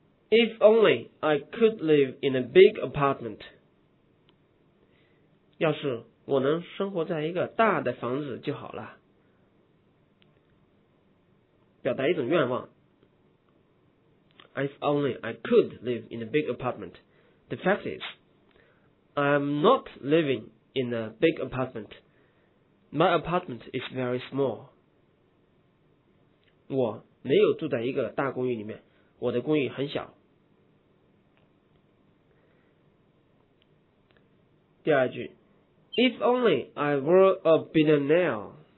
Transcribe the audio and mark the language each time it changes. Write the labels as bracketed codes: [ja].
[en] If only I could live in a big apartment. [zh] 要是我能生活在一个大的房子就好了。表达一种愿望。 [en] If only I could live in a big apartment. The fact is, I'm not living in a big apartment. My apartment is very small. [zh] 我没有住在一个大公寓里面，我的公寓很小。第二句 [en] If only I were a billionaire.